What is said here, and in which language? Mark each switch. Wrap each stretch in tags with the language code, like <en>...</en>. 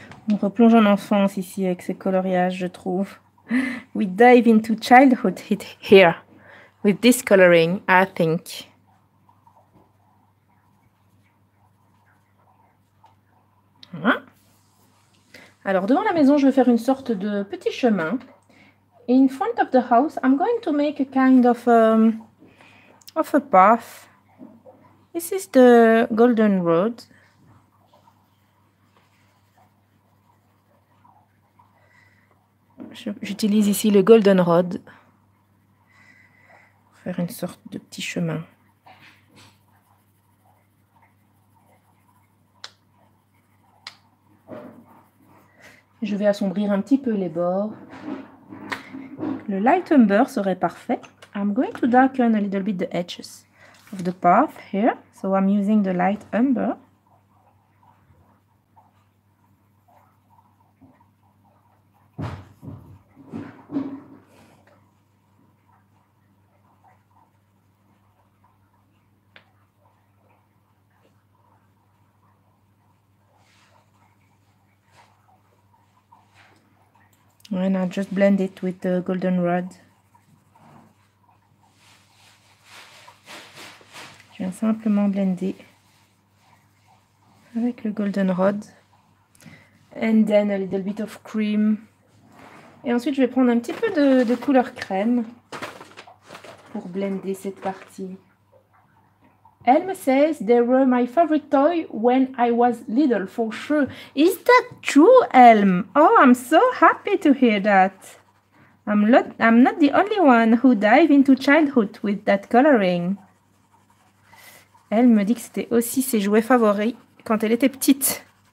<fr>On replonge en enfance ici avec ce coloriage, je trouve.</fr> <en>We dive into childhood here with this coloring, I think.</en> <fr>Voilà. Alors, devant la maison, je vais faire une sorte de petit chemin.</fr> <en>In front of the house, I'm going to make a kind of a path. This is the golden road.</en> <fr>J'utilise ici le goldenrod pour faire une sorte de petit chemin. Je vais assombrir un petit peu les bords. Le light umber serait parfait.</fr> <en>I'm going to darken a little bit the edges of the path here. So I'm using the light umber. And I just blend it with the goldenrod.</en> <fr>Je viens simplement blender avec le goldenrod.</fr> <en>And then a little bit of cream.</en> <fr>Et ensuite, je vais prendre un petit peu de couleur crème pour blender cette partie.</fr> <en>Elma says they were my favorite toy when I was little, for sure. Is that true, Elm? Oh, I'm so happy to hear that. I'm not the only one who dive into childhood with that coloring.</en> <fr>Elm me dit que c'était aussi ses jouets favoris quand elle était petite.</fr>